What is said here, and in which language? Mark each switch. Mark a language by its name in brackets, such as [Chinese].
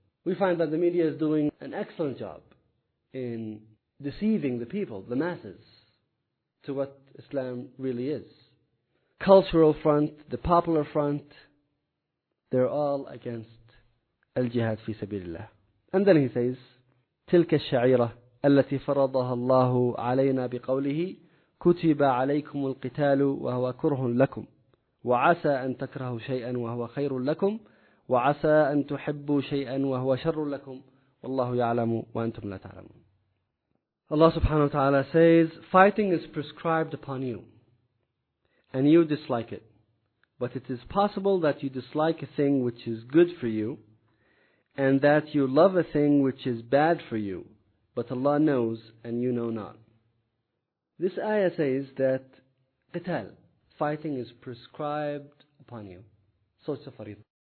[English] We find that the media is doing an excellent job in deceiving the people, the masses, to what Islam really is. Cultural front, the popular front, they're all against al-jihad fi sabilillah. And then he says, [Arabic] تلك الشعيرة التي فرضها الله علينا بقوله كتب عليكم القتال وهو كره لكم وعسى أن تكرهوا شيئا وهو خير لكم وعسى أن تحبوا شيئا وهو شر لكم والله يعلم وأنتم لا تعلمون. [English] Allah subhanahu wa ta'ala says, fighting is prescribed upon you, and you dislike it. But it is possible that you dislike a thing which is good for you, and that you love a thing which is bad for you. But Allah knows, and you know not. This ayah says that qital, fighting is prescribed upon you. So it's a faridah.